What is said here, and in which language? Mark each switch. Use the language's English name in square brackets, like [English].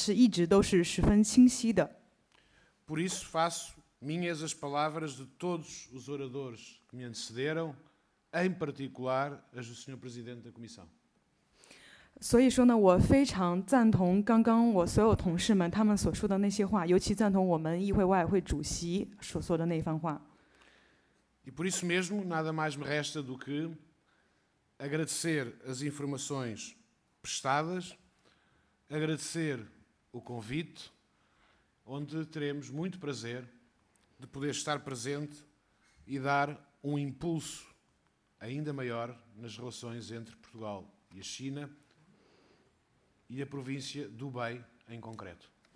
[Chinese] 并且呢，我们也可以非常明确地表示，我们葡萄牙和中国两个国家之间的关系呢是非常友好的，并且这样的一个轨迹呢是一直都是十分清晰的。 [Portuguese] Por isso faço minhas as palavras de todos os oradores que me antecederam, em particular as do Sr. Presidente da Comissão. [Chinese] 所以说呢，我非常赞同刚刚我所有同事们他们所说的那些话，尤其赞同我们议会外汇主席所说的那番话。 [Portuguese] E por isso mesmo, nada mais me resta do que agradecer as informações prestadas, agradecer o convite, onde teremos muito prazer de poder estar presente e dar um impulso ainda maior nas relações entre Portugal e a China, e a província do Hubei, em concreto.